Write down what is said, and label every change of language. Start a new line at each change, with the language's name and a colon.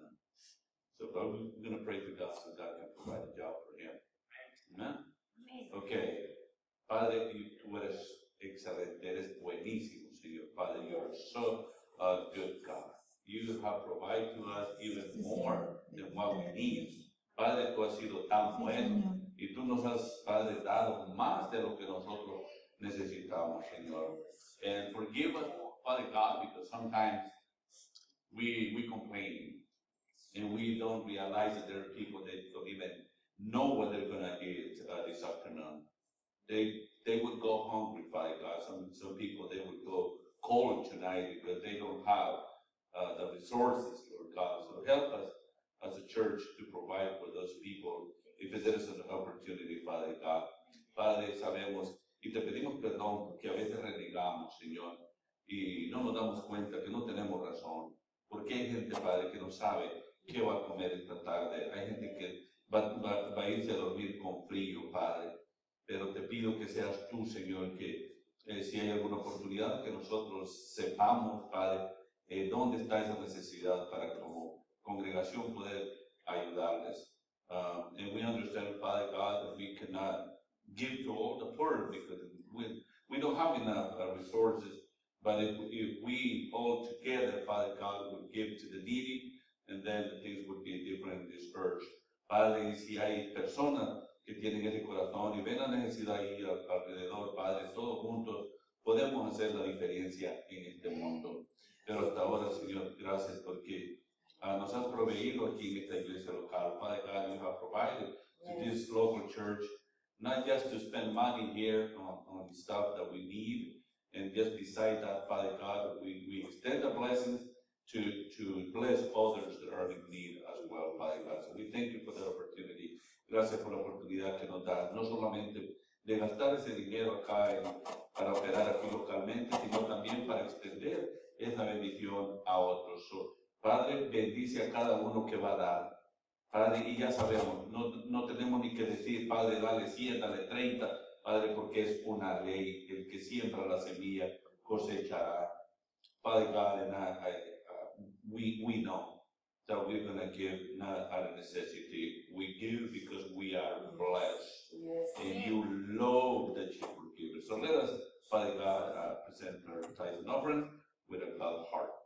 English: And so but we're going to pray to God so God can provide a job for him. Amen.
Spanish: Amen. Okay. Padre, tú eres excelente, eres buenísimo, Señor.
English: Padre, you are so a good God. You have provided to us even more than what we need.
Spanish: Padre, tú has sido tan bueno. Y tú nos has, Padre, dado más de lo que nosotros necesitamos, Señor.
English: And forgive us, Father God, because sometimes we complain. And we don't realize that there are people that don't even know what they're going to eat this afternoon. They would go hungry, Father God. Some people, they would go cold tonight because they don't have the resources, Lord God. So help us as a church to provide for those people if there is an opportunity, Father God.
Spanish: Padre, sabemos y te pedimos perdón que a veces renegamos, Señor, y no nos damos cuenta que no tenemos razón. Porque hay gente, Padre, que no sabe qué va a comer esta tarde. Hay gente que va a irse a dormir con frío, Padre. Pero te pido que seas tú, Señor, que si hay alguna oportunidad, que nosotros sepamos, Padre, dónde está esa necesidad para como congregación poder ayudarles.
English: And we understand, Father God, that we cannot give to all the poor because we don't have enough resources. But if we all together, Father God, would give to the needy, and then things would be different in this church.
Spanish: Padre, si hay personas que tienen ese corazón y ven la necesidad ahí alrededor, Padre, todos juntos podemos hacer la diferencia en este mundo. Pero hasta ahora, Señor, gracias porque nos has proveído aquí en esta iglesia local.
English: Padre, God, you have provided to this local church, not just to spend money here on stuff that we need, and just beside that, Father God, we extend the blessings to bless others that are in need as well, Father God. So we thank you for that opportunity.
Spanish: Gracias por la oportunidad que nos das, no solamente de gastar ese dinero acá para operar aquí localmente, sino también para extender esa bendición a otros. So, Padre, bendice a cada uno que va a dar. Padre, y ya sabemos, no tenemos ni que decir, Padre, dale 100, dale 30. Padre, porque es una ley, el que siembra la semilla cosechará.
English: Padre, God, we know that we're going to give not out of necessity. We give because we are blessed. Yes. And you love that you will give. So let us, Father God, present our tithes and offerings with a glad heart.